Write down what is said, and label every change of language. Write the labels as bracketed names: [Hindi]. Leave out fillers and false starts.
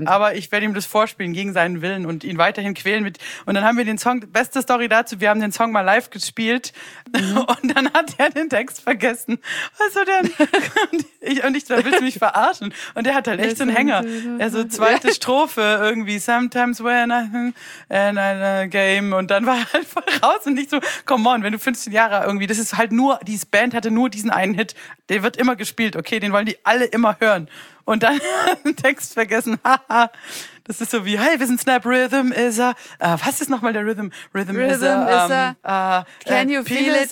[German] Nicht, aber ich werde ihm das vorspielen gegen seinen Willen und ihn weiterhin quälen. Und dann haben wir den Song, beste Story dazu, wir haben den Song mal live gespielt. Und dann hat er den Text vergessen. Was war denn? Und ich da willst du mich verarschen. Und er hat halt echt so einen Hänger. Also zweite Strophe irgendwie. [English] Sometimes when I'm in a game. [German] Und dann war er halt voll raus. Und nicht so, [English] come on, [German] wenn du 15 Jahre irgendwie, das ist halt nur, diese Band hatte nur diesen einen Hit. Der wird immer gespielt, okay? Den wollen die alle immer hören. Und dann einen Text vergessen. Haha. Das ist so wie, hey, wir sind Snap, Rhythm is a, was ist nochmal der Rhythm? [English] Rhythm is a, can you penis, feel it?